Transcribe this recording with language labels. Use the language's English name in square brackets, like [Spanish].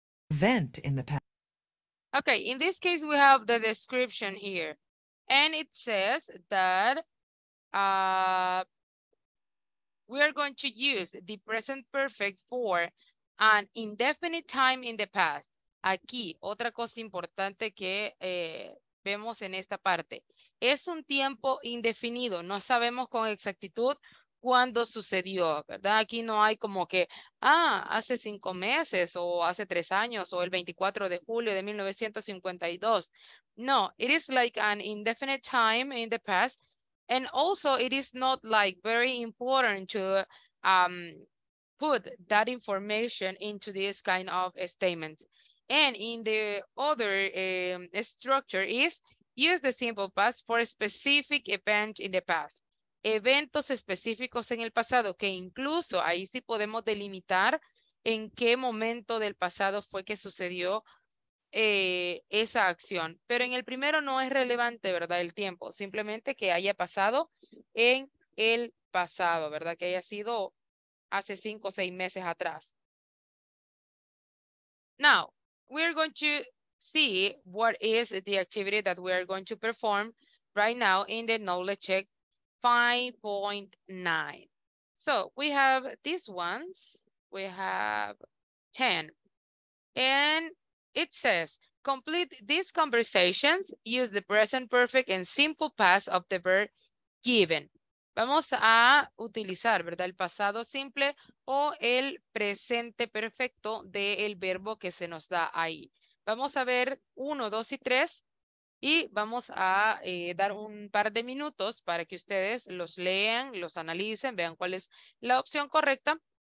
[English] Event in the past. Okay, in this case, we have the description here. And it says that we are going to use the present perfect for an indefinite time in the past. [Spanish] Aquí, otra cosa importante que vemos en esta parte. Es un tiempo indefinido. No sabemos con exactitud cuándo sucedió, ¿verdad? Aquí no hay como que, ah, hace 5 meses o hace 3 años o el 24 de julio de 1952. No, [English] it is like an indefinite time in the past. And also it is not like very important to put that information into this kind of statement. And in the other structure is use the simple past for a specific event in the past. [Spanish] Eventos específicos en el pasado, que incluso ahí sí podemos delimitar en qué momento del pasado fue que sucedió esa acción. Pero en el primero no es relevante, ¿verdad? El tiempo, simplemente que haya pasado en el pasado, ¿verdad? Que haya sido hace 5 o 6 meses atrás. [English] Now, we're going to see what is the activity that we are going to perform right now in the knowledge check 5.9. So we have these ones, we have 10. And it says, complete these conversations, use the present perfect and simple past of the verb given. [Spanish] Vamos a utilizar, ¿verdad? El pasado simple o el presente perfecto del verbo que se nos da ahí. Vamos a ver 1, 2 y 3 y vamos a dar un par de minutos para que ustedes los lean, los analicen, vean cuál es la opción correcta.